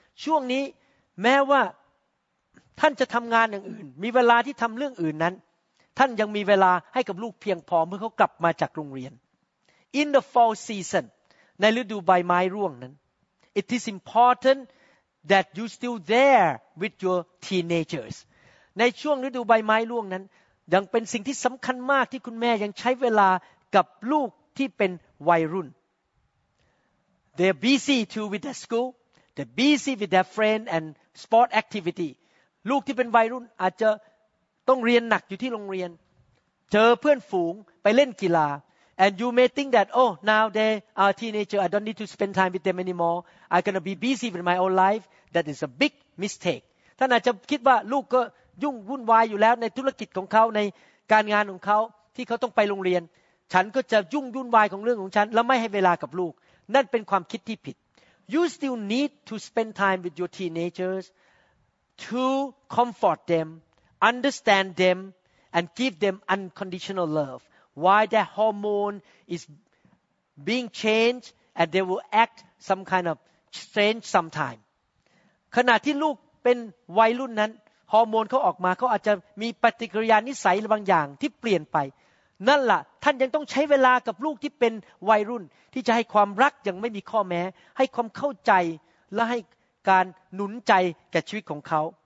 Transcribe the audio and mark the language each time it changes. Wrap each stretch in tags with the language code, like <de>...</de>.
<th>ช่วงนี้แม้ว่าท่านจะทำงานอย่างอื่นมีเวลาที่ทำเรื่องอื่นนั้นท่านยังมีเวลาให้กับลูกเพียงพอเมื่อเขากลับมาจากโรงเรียน</th> <en>In the fall season,</en> <th>ในฤดูใบไม้ร่วงนั้น</th> <en>it is important that you still there with your teenagers.</en> <th>ในช่วงฤดูใบไม้ร่วงนั้นยังเป็นสิ่งที่สำคัญมากที่คุณแม่ยังใช้เวลากับลูกที่เป็นวัยรุ่น</th> <en>They're busy too with their school. They're busy with their friend and sport activity.</en> <th>ลูกที่เป็นวัยรุ่นอาจจะต้องเรียนหนักอยู่ที่โรงเรียนเจอเพื่อนฝูงไปเล่นกีฬา</th> <en>And you may think that, oh, now they are teenager. I don't need to spend time with them anymore. I'm gonna be busy with my own life. That is a big mistake.</en> <th>ท่านอาจจะคิดว่าลูกก็ยุ่งวุ่นวายอยู่แล้วในธุรกิจของเขาในการงานของเขาที่เขาต้องไปโรงเรียนฉันก็จะยุ่งวุ่นวายของเรื่องของฉันและไม่ให้เวลากับลูกนั่นเป็นความคิดที่ผิด</th> <en>You still need to spend time with your teenagers to comfort them, understand them, and give them unconditional love. Why their hormone is being changed and they will act some kind of strange sometime.</en> <th>ขณะที่ลูกเป็นวัยรุ่นนั้นฮอร์โมนเขาออกมาเขาอาจจะมีปฏิกิริยานิสัยบางอย่างที่เปลี่ยนไปนั่นล่ะท่านยังต้องใช้เวลากับลูกที่เป็นวัยรุ่นที่จะให้ความรักยังไม่มีข้อแม้ให้ความเข้าใจและให้การหนุนใจแก่ชีวิตของเขา</th>